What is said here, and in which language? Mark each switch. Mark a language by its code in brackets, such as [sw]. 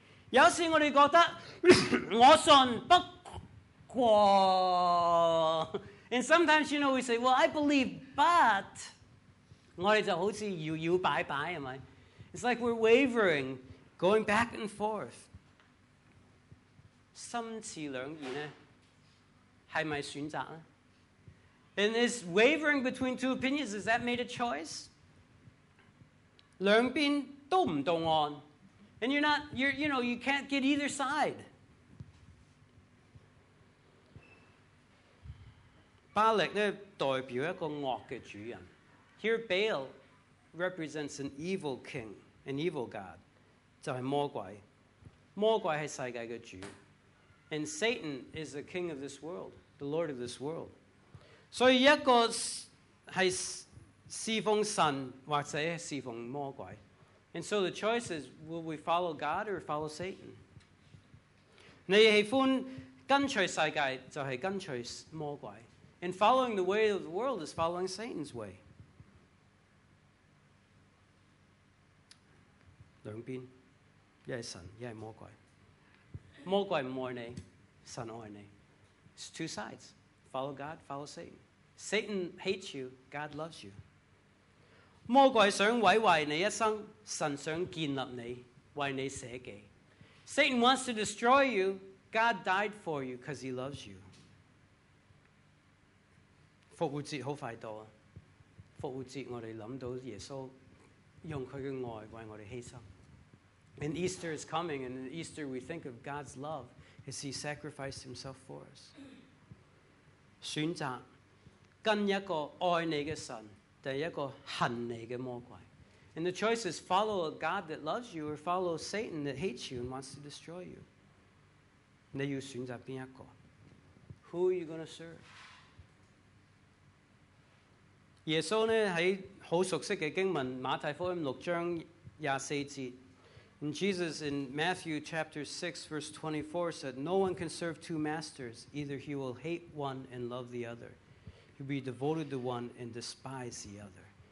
[zh] 有时我们觉得我信不过, [en] and sometimes, you know, we say, well, I believe, but [zh] 我们就好像摇摇摆摆, [en] am I? It's like we're wavering, going back and forth. [zh] 心似两意呢?是不是选择呢? [en] And is wavering between two opinions, is that made a choice? [zh] 两边都不动岸, [en] and you're not, you're, you know, you can't get either side. [zh] Baal代表一个恶的主人. [en] Here Baal represents an evil king, an evil god, [zh] 就是魔鬼. 魔鬼是世界的主, [en] and Satan is the king of this world, the lord of this world. [zh] 所以一个是 侍奉神或者侍奉魔鬼. [en] And so the choice is, will we follow God or follow Satan? [zh] 你喜欢跟随世界就是跟随魔鬼. [en] And following the way of the world is following Satan's way. [zh] 两边, 一是神, 一是魔鬼. 魔鬼不爱你, 神爱你. [en] It's two sides. Follow God, follow Satan. Satan hates you, God loves you. [zh] 魔鬼想毁坏你一生, 神想建立你, 为你舍己. [en] Satan wants to destroy you. God died for you because he loves you. [zh] 复活节很快到了, 复活节我们想到耶稣用他的爱为我们牺牲. [en] And Easter is coming, and in Easter we think of God's love as he sacrificed himself for us. [zh] 选择跟一个爱你的神, 第一个恨你的魔鬼. [en] And the choice is follow a God that loves you or follow Satan that hates you and wants to destroy you. [zh] 你要选择哪一个? [en] Who are you going to serve? [zh] 耶稣呢, 在很熟悉的经文, 马太福音6章24节, [en] and Jesus in Matthew chapter 6 verse 24 said, no one can serve two masters, either he will hate one and love the other. You'll be devoted to one and despise the other.